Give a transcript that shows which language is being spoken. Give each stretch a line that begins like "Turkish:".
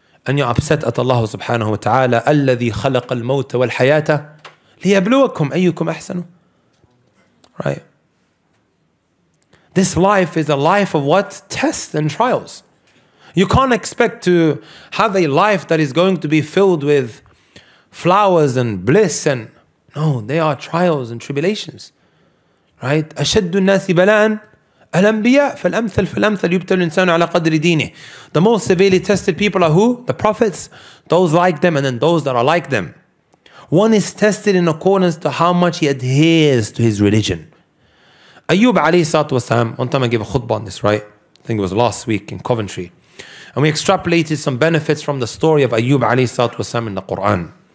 English: And you're upset at Allah subhanahu wa ta'ala,
Arabic: الَّذِي خَلَقَ الْمَوْتَ وَالْحَيَاةَ لِيَبْلُوَكُمْ أَيُّكُمْ أَحْسَنُ.
English: Right? This life is a life of what? Tests and trials. You can't expect to have a life that is going to be filled with flowers and bliss and... No, they are trials and tribulations. Right?
Arabic: أَشَدُّ النَّاسِ بَلَاءً الْأَنْبِيَاءَ فَالْأَمْثَلْ فَالْأَمْثَلْ يُبْتَلُ الْإِنسَانُ عَلَى قَدْرِ دِينِهِ.
English: The most severely tested people are who? The prophets. Those like them and then those that are like them. One is tested in accordance to how much he adheres to his religion. Ayyub alayhi salatu wasalam, one time I gave a khutbah on this, right? I think it was last week in Coventry. And we extrapolated some benefits from the story of Ayyub alayhi salatu wasalam in the Quran.